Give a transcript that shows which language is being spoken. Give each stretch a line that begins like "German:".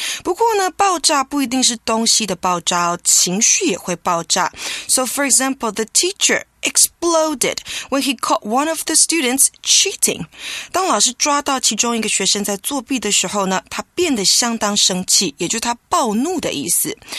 Chinese: 不过呢，爆炸不一定是东西的爆炸，情绪也会爆炸。
English: So for example, the teacher exploded when he caught one of the students cheating.
Chinese: 当老师抓到其中一个学生在作弊的时候呢，他变得相当生气，也就是他暴怒的意思。